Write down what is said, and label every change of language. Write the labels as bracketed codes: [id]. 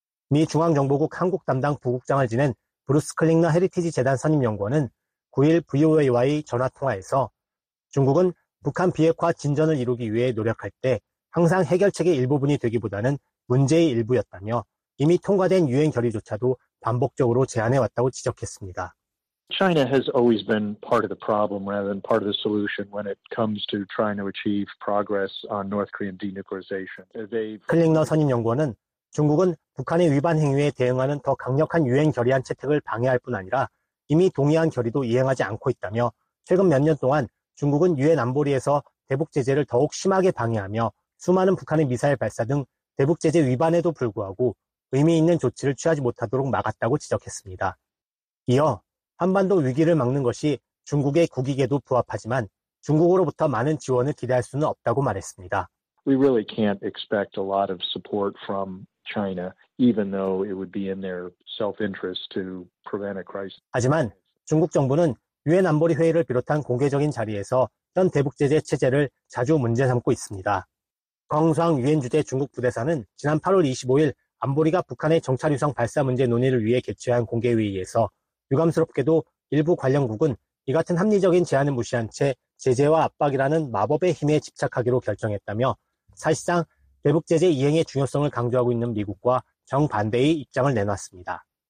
[ko] 미 중앙정보국 한국 담당 부국장을 지낸 브루스 클링너 헤리티지 재단 선임연구원은 9일 VOA와의 전화통화에서 중국은 북한 비핵화 진전을 이루기 위해 노력할 때 항상 해결책의 일부분이 되기보다는 문제의 일부였다며 이미 통과된 유엔 결의조차도 반복적으로 제안해왔다고 지적했습니다. [en] China has always been part of the problem rather than part of the solution when it comes to trying to achieve progress on North Korean denuclearization. [ko] 클링너 선임연구원은 중국은 북한의 위반 행위에 대응하는 더 강력한 유엔 결의안 채택을 방해할 뿐 아니라 이미 동의한 결의도 이행하지 않고 있다며 최근 몇 년 동안 중국은 유엔 안보리에서 대북 제재를 더욱 심하게 방해하며 수많은 북한의 미사일 발사 등 대북 제재 위반에도 불구하고 의미 있는 조치를 취하지 못하도록 막았다고 지적했습니다. 이어 한반도 위기를 막는 것이 중국의 국익에도 부합하지만 중국으로부터 많은 지원을 기대할 수는 없다고 말했습니다. [en] We really can't expect a lot of support from China, even though it would be in their self-interest to prevent a crisis. [ko] 하지만 중국 정부는 유엔 안보리 회의를 비롯한 공개적인 자리에서 현 대북 제재 체제를 자주 문제 삼고 있습니다. 광수항 유엔 주재 중국 부대사는 지난 8월 25일 안보리가 북한의 정찰위성 발사 문제 논의를 위해 개최한 공개 회의에서 유감스럽게도 일부 관련국은 이 같은 합리적인 제안을 무시한 채 제재와 압박이라는 마법의 힘에 집착하기로 결정했다며 사실상 대북 제재 이행의 중요성을 강조하고 있는 미국과 정반대의 입장을 내놨습니다.